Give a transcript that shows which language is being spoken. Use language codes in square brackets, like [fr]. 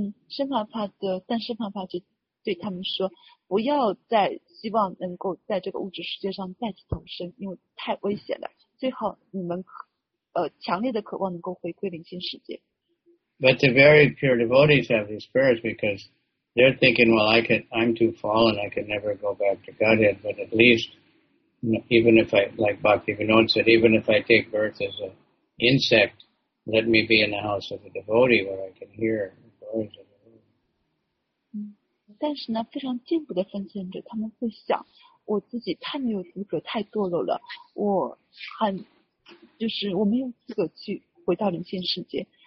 [zh] 圣帕帕的，但圣帕帕就对他们说，不要再希望能够在这个物质世界上再次投生，因为太危险了。最好你们强烈的渴望能够回归灵性世界。 [en] But the very pure devotees have these prayers because they're thinking, well, I'm too fallen, I could never go back to Godhead, but at least, even if I, like Bhaktivinoda said, even if I take birth as an insect, let me be in the house of a devotee where I can hear the voice of the Lord. [zh] 但是呢，非常进步的奉献者，他们会想，我自己太没有资格，太堕落了，我很，就是我没有资格去回到灵性世界。